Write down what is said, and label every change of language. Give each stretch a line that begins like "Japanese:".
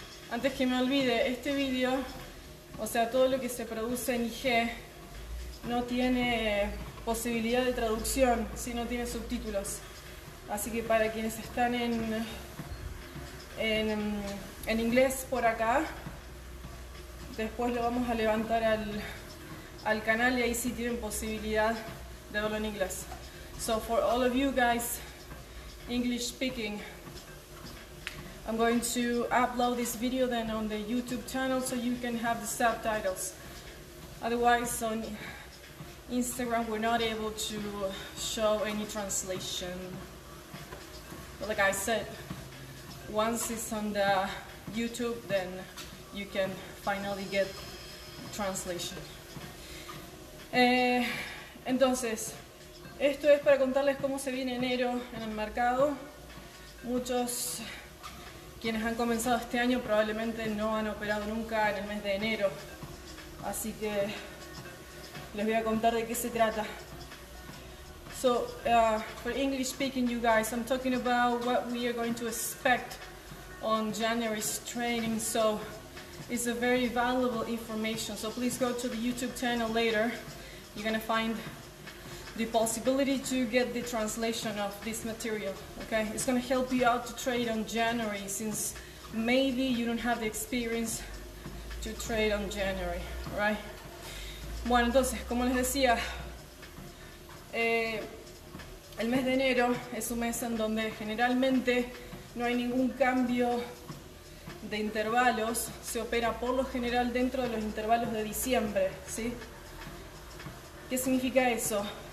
Spanish: Antes que me olvide, este video, o sea, todo lo que se produce en IG, no tiene posibilidad de traducción, si no tiene subtítulos. Así que para quienes están en inglés por acá, después lo vamos a levantar al canal y ahí sí tienen posibilidad de verlo en inglés.
English: So for all of you guys English speaking, I'm going to upload this video then on the YouTube channel so you can have the subtitles. Otherwise on Instagram we're not able to show any translation. But like I said, once it's on the YouTube then you can finally get translation.
Spanish: Entonces, esto es para contarles cómo se viene enero en el mercado. Muchos quienes han comenzado este año probablemente no han operado nunca en el mes de enero. Así que les voy a contar de qué se trata.
English: So, for English speaking you guys, I'm talking about what we are going to expect on January's trading. So, it's a very valuable information. So, please go to the YouTube channel later. You're going to find the possibility to get the translation of this material, okay? It's going to help you out to trade on January, since maybe you don't have the experience to trade on January, right?
Spanish: Bueno, entonces, como les decía, el mes de enero es un mes en donde generalmente no hay ningún cambio de intervalos. Se opera por lo general dentro de los intervalos de diciembre, ¿sí? ¿Qué significa eso?